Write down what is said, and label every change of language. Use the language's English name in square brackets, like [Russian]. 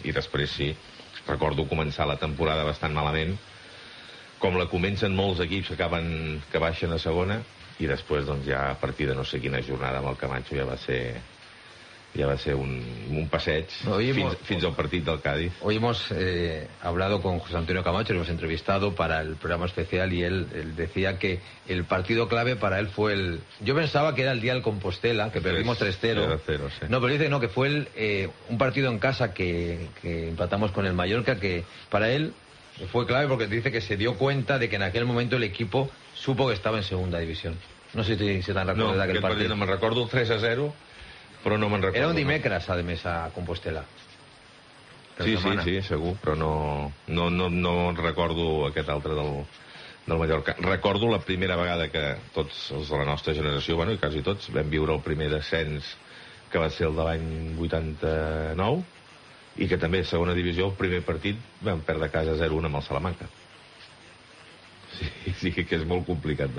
[Catalan] I després sí, recordo començar la temporada bastant malament, com la comencen molts equips que baixen a segona, i després doncs ja a partir de no sé quina jornada amb el Camacho ja va ser un passeig fins al partit del Cádiz. [Spanish] Hoy hemos hablado con José Antonio Camacho, lo hemos entrevistado para el programa especial, y él decía que el partido clave para él fue el... Yo pensaba que era el día del Compostela, que perdimos 3-0. 3-0, sí. No, pero dice no, que fue un partido en casa que empatamos con el Mallorca, que para él fue clave, porque dice que se dio cuenta de que en aquel momento el equipo supo que estaba en segunda división. No sé si te han recordado de aquel partido. No, me recuerdo 3-0, pero no me recuerdo. [Catalan] Era un dimecres, no. [Spanish] Además, a Compostela. [Catalan] Sí, sí, sí, segur, però no recordo aquest altre del Mallorca. Recordo la primera vegada que tots els de la nostra generació, bueno, i quasi tots, vam viure el primer descens, que va ser el de l'any 89, i que també, segona divisió, el primer partit vam perdre a casa 0-1 amb el Salamanca. Sí, sí, que és molt complicat.